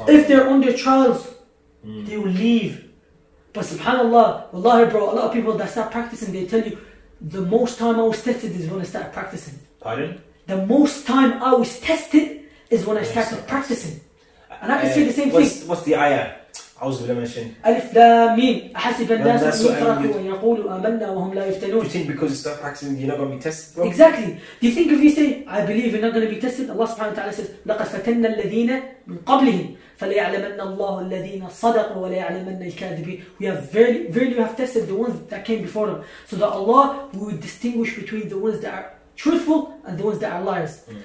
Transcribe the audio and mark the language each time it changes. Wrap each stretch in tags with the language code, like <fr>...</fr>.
<en>If they're under trials, they will leave. But subhanAllah, wallahi bro, a lot of people that start practicing, they tell you, the most time I was tested is when I started practicing. Pardon? The most time I was tested is when I started practicing. And I can say the same thing. What's the ayah? I was going to mention. Alif Lam Mim.</en> <ar>أحسب الناس أن يتركوا أن يقولوا آمنا وهم لا يفتنون.</ar> <en>You think because you start practicing, you're not going to be tested, bro? Exactly. Do you think if you say, I believe you're not going to be tested, Allah subhanahu wa ta'ala says,</en> <ar>لقد فتنا الذين من قبلهم فليعلمن الله الذين صدقوا وليعلمن الكاذبين.</ar> <en>We have verily have tested the ones that came before them. So that Allah would distinguish between the ones that are truthful and the ones that are liars.</en>